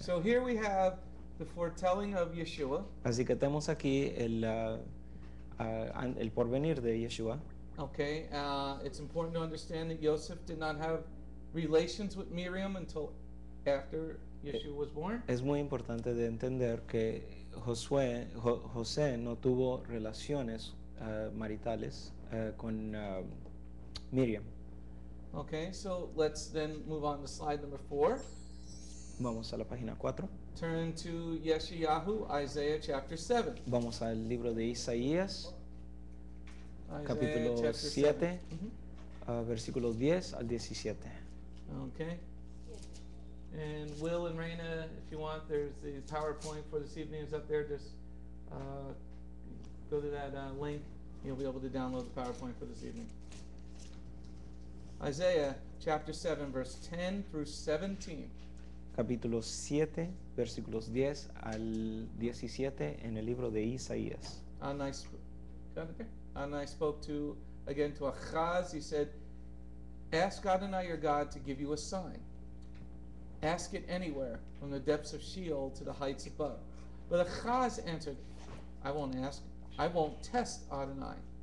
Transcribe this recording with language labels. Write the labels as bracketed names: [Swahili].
[English] So here we have the foretelling of Yeshua. [Spanish] Así que tenemos aquí el porvenir de Yeshua. [English] Okay, it's important to understand that Yosef did not have relations with Miriam until after Yeshua was born. [Spanish] Es muy importante de entender que José no tuvo relaciones maritales con Miriam. [English] Okay, so let's then move on to slide number 4. [Spanish] Vamos a la página 4. [English] Turn to Yeshayahu, Isaiah chapter 7. [Spanish] Vamos al libro de Isaías, capítulo 7, versículo 10 al 17. [English] Okay. And Will and Raina, if you want, there's the PowerPoint for this evening is up there. Just go to that link. You'll be able to download the PowerPoint for this evening. Isaiah chapter 7, verse 10 through 17. [Spanish] Capítulo 7, versículos 10 al 17 en el libro de Isaías. [English] And I, got it there? And I spoke to again to Achaz. He said, ask Adonai your God to give you a sign. Ask it anywhere, from the depths of Sheol to the heights above. But Achaz answered, I won't ask. I won't test Adonai.